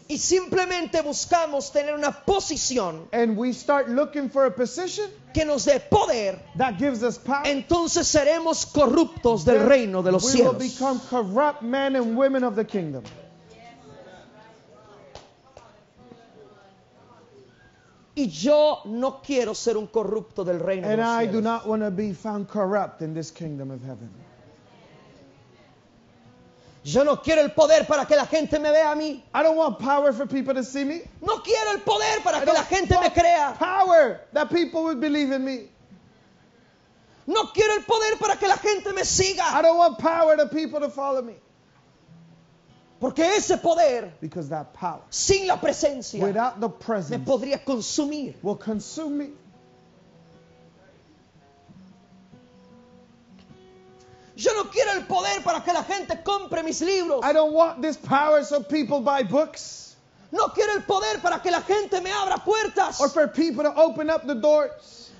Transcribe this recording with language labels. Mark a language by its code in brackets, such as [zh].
[es] y simplemente buscamos tener una posición, [en] and we start looking for a position, [es] que nos dé poder, [en] that gives us power, [es] entonces seremos corruptos del reino de los [en] we [es] cielos. [en] We will become corrupt men and women of the kingdom. [es] Y yo no quiero ser un corrupto del reino de los cielos. [en] And I do not want to be found corrupt in this kingdom of heaven. [es] Yo no quiero el poder para que la gente me vea a mí. [en] I don't want power for people to see me. [es] No quiero el poder para que la gente me crea. [en] Power that people would believe in me. [es] No quiero el poder para que la gente me siga. [en] I don't want power for people to follow me. [es] Porque ese poder, [en] because that power, [es] sin la presencia, [en] without the presence, [es] me podría consumir, [en] will consume me. [es] Yo no quiero el poder para que la gente compre mis libros. [en] I don't want this power so people buy books. [es] No quiero el poder para que la gente me abra puertas. [en] Or for people to open up the doors.